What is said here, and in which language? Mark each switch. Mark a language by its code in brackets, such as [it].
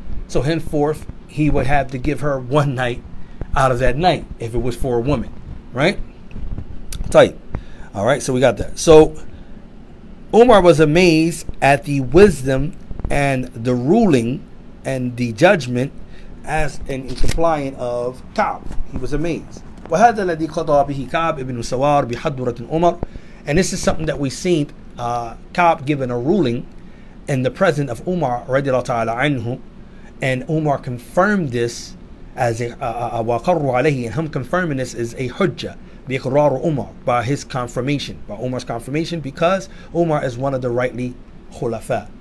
[en] So, henceforth, he would have to give her one night out of that night if it was for a woman, right? Tight. All right, so we got that. So Umar was amazed at the wisdom and the ruling and the judgment as in compliant of Ka'b. He was amazed. [ar] وَهَذَا الَّذِي قَضَى بِهِ كَعْب ابْنُ سَوَارِ بِحَضْرَةٍ Umar. [en] And this is something that we seen Ka'b given a ruling in the presence of Umar [ar] رضي الله تعالى عنه, [en] and Umar confirmed this as a [ar] وَقَرُّ عَلَيْهِ, [en] and him confirming this is a hujjah. [ar] بإقرار [en] Umar, by his confirmation, by Umar's confirmation, because Umar is one of the rightly khulafa.